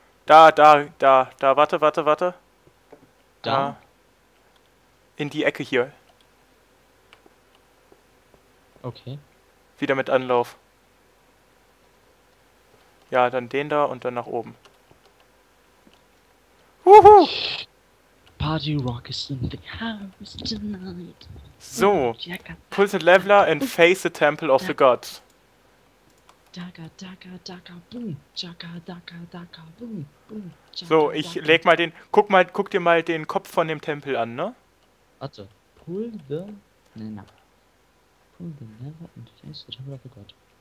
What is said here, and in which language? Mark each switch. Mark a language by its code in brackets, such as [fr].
[de] Da. Warte. Da. In die Ecke hier. Okay. Wieder mit Anlauf. Ja, dann den da und dann nach oben. Wuhu! Pa, [en] Party Rock is in the house tonight. So, pull the leveler and face the Temple of the Gods. Daga, daga, daga, boom. Daga, daga, daga, boom. Boom. [de] So, ich leg mal den. Guck mal, guck dir mal den Kopf von dem Tempel an, ne? Warte. [en] Pull the. [de] Nein, nein. [en] Pull the leveler and face the Temple of the God.